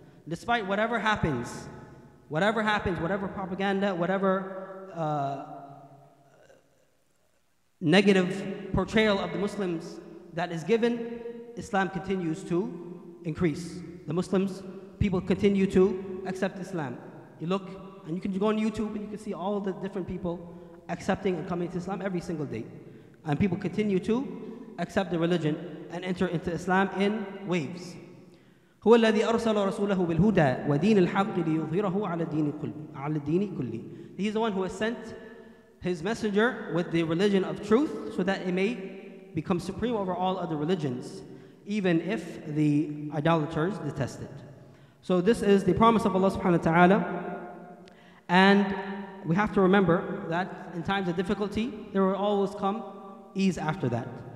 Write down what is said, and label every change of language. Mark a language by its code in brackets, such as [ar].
[en] Despite whatever happens, whatever propaganda, whatever negative portrayal of the Muslims that is given, Islam continues to increase. The Muslims, people continue to accept Islam. You look and you can go on YouTube and you can see all the different people accepting and coming to Islam every single day. And people continue to accept the religion and enter into Islam in waves. [ar] هو الذي أرسل رسوله بالهدى ودين الحق ليظهره على الدين كله. [en] He is the one who has sent his messenger with the religion of truth so that it may become supreme over all other religions, even if the idolaters detest it. So this is the promise of Allah subhanahu wa ta'ala. And we have to remember that in times of difficulty, there will always come ease after that.